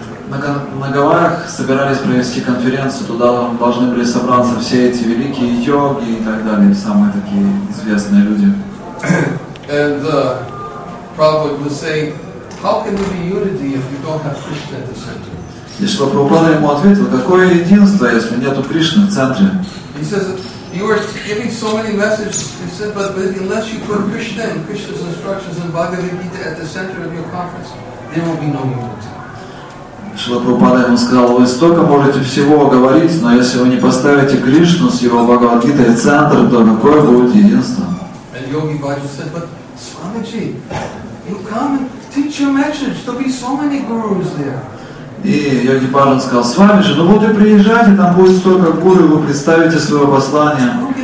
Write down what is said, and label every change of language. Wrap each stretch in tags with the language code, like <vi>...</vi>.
<ru>На Гавайях собирались провести конференцию, туда должны были собраться все эти великие йоги и так далее, самые такие известные люди.</ru> <en>And Prabhupada was saying, how can there be unity if you don't have Krishna at the center?</en> <ru>И Шрила Прабхупада ему ответил, какое единство, если нету Кришны в центре?</ru> <en>He says, you are giving so many messages. He said, but unless you put Krishna and Krishna's instructions in Bhagavad Gita at the center of your conference, there will be no unity.</en> <ru>Шрила Прабхупада ему сказал, вы столько можете всего говорить, но если вы не поставите Кришну с его Бхагавад Гитой в центр, то какое будет единство?</ru> <en>And Yogi Bhajan said, but Swamiji, you come and teach your message. There'll be so many gurus there.</en> <ru>И Йоги Баджан сказал, с вами же, ну вот и приезжайте, там будет столько гуру, вы представите свое послание.</ru>